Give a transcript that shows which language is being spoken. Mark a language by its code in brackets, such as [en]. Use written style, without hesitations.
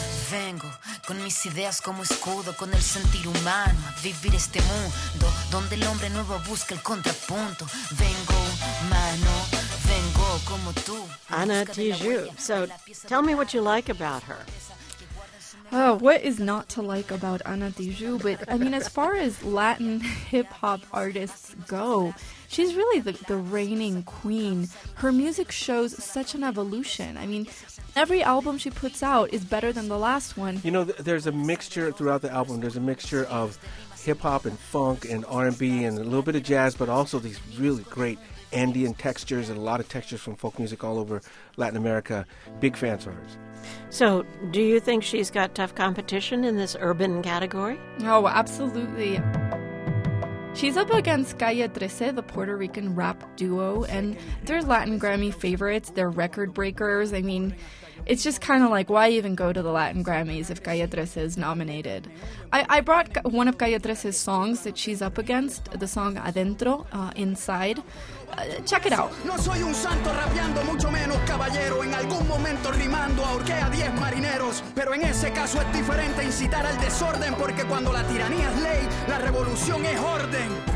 [es] Vengo con mis ideas como escudo, con el sentir humano, a vivir este mundo donde el hombre nuevo busca el contrapunto. Vengo mano, vengo como tú. Ana Tijoux. [en] So tell me what you like about her. Oh, what is not to like about Ana Tijoux? But I mean, as far as Latin hip hop artists go, she's really the reigning queen. Her music shows such an evolution. I mean, every album she puts out is better than the last one. You know, there's a mixture throughout the album. There's a mixture of hip-hop and funk and R&B and a little bit of jazz, but also these really great Andean textures and a lot of textures from folk music all over Latin America. Big fans of hers. So do you think she's got tough competition in this urban category? Oh, absolutely. She's up against Calle 13, the Puerto Rican rap duo, and they're Latin Grammy favorites. They're record breakers. I mean, it's just kind of like, why even go to the Latin Grammys if Calle 13 is nominated? I brought one of Calle 13's songs that she's up against, the song Adentro, Inside. Check it out. [es] No soy un santo rapeando, mucho menos caballero. En algún momento rimando ahorqué a 10 marineros. Pero en ese caso es diferente incitar al desorden, porque cuando la tiranía es ley, la revolución es orden.